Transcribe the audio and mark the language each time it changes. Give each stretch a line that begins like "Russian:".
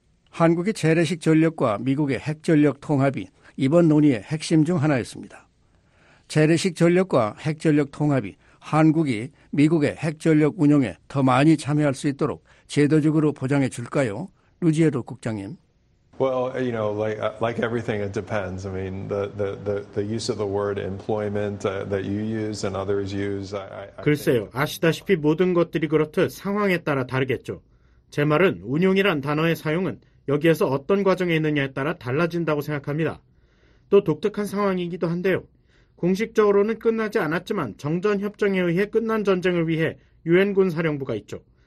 Korean: 한국의 재래식 전력과 미국의 핵전력 통합이 이번 논의의 핵심 중 하나였습니다. 재래식 전력과 핵전력 통합이 한국이 미국의 핵전력 운영에 더 많이 참여할 수 있도록 제도적으로 보장해 줄까요? 루지에로 국장님.
English: Well, you know, like everything, it depends. I mean, the use of the word employment that you use and others use.
Korean: 글쎄요, 아시다시피 모든 것들이 그렇듯 상황에 따라 다르겠죠. 제 말은 운용이란 단어의 사용은 여기에서 어떤 과정에 있느냐에 따라 달라진다고 생각합니다. 또 독특한 상황이기도 한데요. 공식적으로는 끝나지 않았지만 정전협정에 의해 끝난 전쟁을 위해 유엔군 사령부가 있죠.